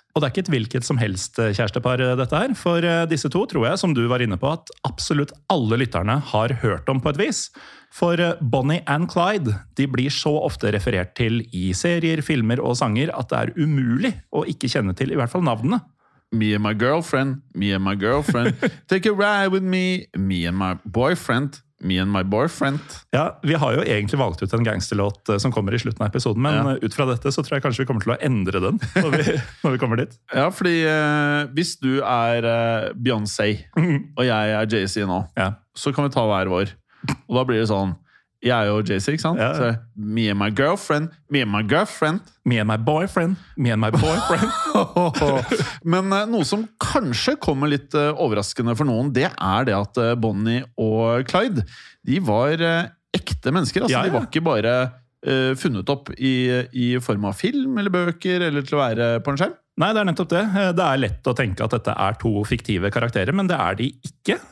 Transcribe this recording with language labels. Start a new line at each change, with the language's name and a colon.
Norwegian: Og det ikke et hvilket som helst kjærestepar dette for disse to tror jeg, som du var inne på, at absolutt alle lytterne har hørt om på et vis. For Bonnie and Clyde, de blir så ofte referert til i serier, filmer og sanger at det umulig å ikke kjenne til, i hvert fall navnene.
English: Me and my girlfriend, me and my girlfriend, take a ride with me, me and my boyfriend. Me and my boyfriend.
Norwegian: Ja, vi har jo egentlig valgt ut en gangsterlåt som kommer i slutten av episoden, men ut fra dette så tror jeg kanskje vi kommer til å endre den når vi kommer dit. Ja, fordi hvis du Beyoncé, og jeg Jay-Z nå, så kan vi ta hver vår. Og da blir det sånn, jeg jo Jay-Z, ikke sant? Ja. Så,
English: me and my girlfriend, me and my girlfriend. Me and my boyfriend, me and my boyfriend.
Norwegian: Men noe som kanskje kommer litt overraskende for noen, det det at Bonnie og Clyde, de var ekte mennesker. Altså, ja, ja. De var ikke bare funnet opp i form av film eller bøker, eller til å være på en skjerm. Nei, det nettopp det. Det lett å tenke at dette to fiktive karakterer, men det de ikke.